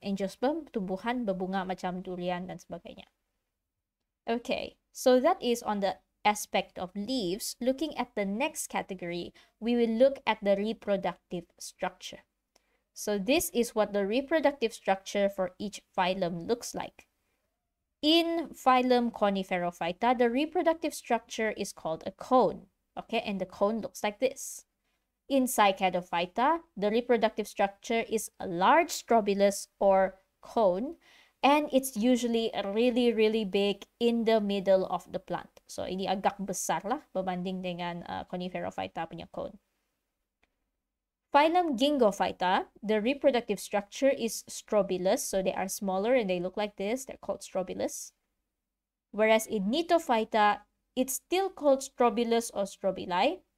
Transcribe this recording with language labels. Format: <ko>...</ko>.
<ms>Angiosperm tumbuhan berbunga macam durian dan sebagainya.</ms> <en>Okay, so that is on the aspect of leaves. Looking at the next category, we will look at the reproductive structure. So this is what the reproductive structure for each phylum looks like. In phylum Coniferophyta, the reproductive structure is called a cone, okay? And the cone looks like this. In Cycadophyta, the reproductive structure is a large strobilus or cone, and it's usually really, really big in the middle of the plant.</en> <ms>So, ini agak besar lah berbanding dengan Coniferophyta punya cone.</ms> <en>Phylum Ginkgophyta, the reproductive structure is strobilus, so they are smaller and they look like this, they're called strobilus. Whereas in Nitophyta, it's still called strobilus or strobili.</en>